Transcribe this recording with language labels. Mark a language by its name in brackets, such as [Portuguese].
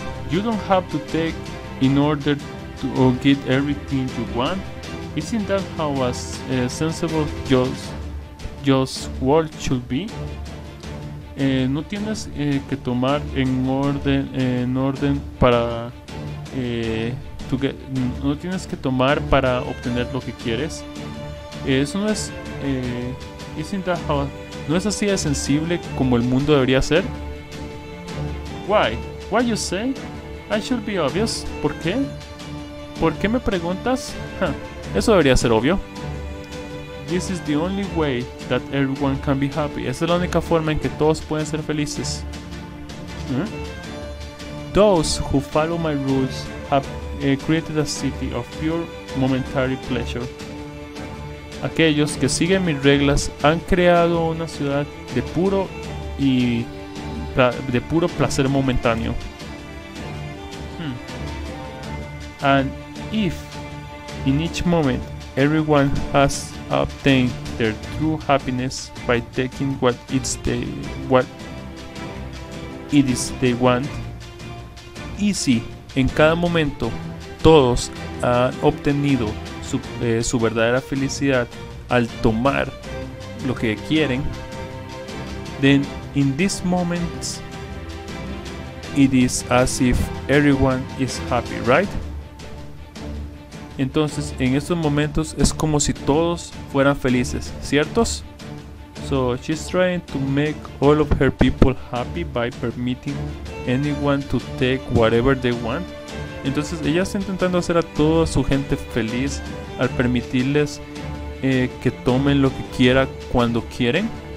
[English] You don't have to take in order to or get everything you want. Isn't that how a sensible just world should be? [Spanish] No tienes que tomar en orden para obtener lo que quieres. Eso no es así de sensible como el mundo debería ser. [English] Why you say? I should be obvious. [Spanish] ¿Por qué? ¿Por qué me preguntas? Eso debería ser obvio. [English] This is the only way that everyone can be happy. [Spanish] Esa es la única forma en que todos pueden ser felices. [English] Those who follow my rules have created a city of pure momentary pleasure. [Spanish] Aquellos que siguen mis reglas han creado una ciudad de puro placer momentáneo. [English] And if in each moment everyone has obtained their true happiness by taking what it is they want, [Spanish] y si en cada momento todos han obtenido su verdadera felicidad al tomar lo que quieren, [English] then in this moment it is as if everyone is happy, right? [Spanish] Entonces, en estos momentos es como si todos fueran felices, ¿ciertos? [English] So she's trying to make all of her people happy by permitting anyone to take whatever they want. [Spanish] Entonces, ella está intentando hacer a toda su gente feliz al permitirles que tomen lo que quiera cuando quieren.